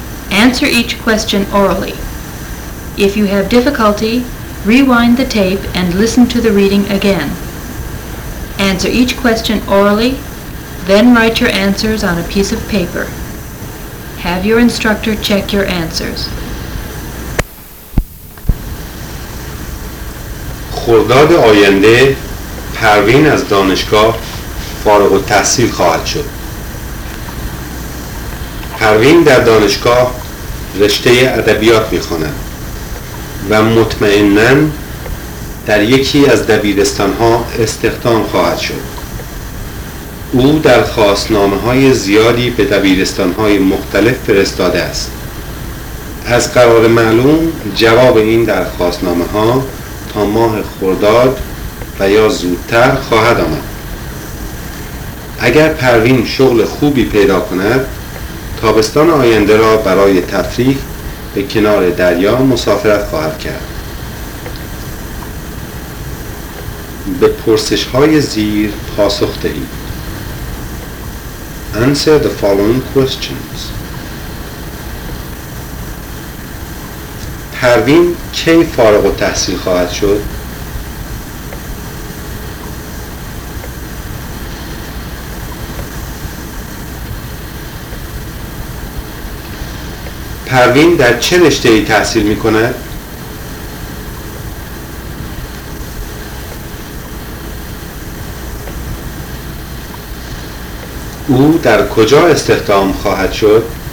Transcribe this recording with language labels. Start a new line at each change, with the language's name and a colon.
English: Answer each question orally. If you have difficulty, rewind the tape and listen to the reading again. Answer each question orally, then write your answers on a piece of paper. Have your instructor check your answers.
Persian: خرداد آینده پروین از دانشگاه فارغ التحصیل خواهد شد. پروین در دانشگاه رشته ادبیات می‌خواند و مطمئناً در یکی از دبیرستان‌ها استخدام خواهد شد. او درخواست‌نامه‌های زیادی به دبیرستان‌های مختلف فرستاده است. از قرار معلوم جواب این درخواست‌نامه‌ها تا ماه خرداد و یا زودتر خواهد آمد. اگر پروین شغل خوبی پیدا کند، تابستان آینده را برای تفریح به کنار دریا مسافرت خواهد کرد. به پرسش های زیر پاسخ دهید.
English: Answer the following questions.
Persian: پروین کی فارغ التحصیل خواهد شد؟ پروین در چه رشته‌ای تحصیل می‌کند؟ او در کجا استخدام خواهد شد؟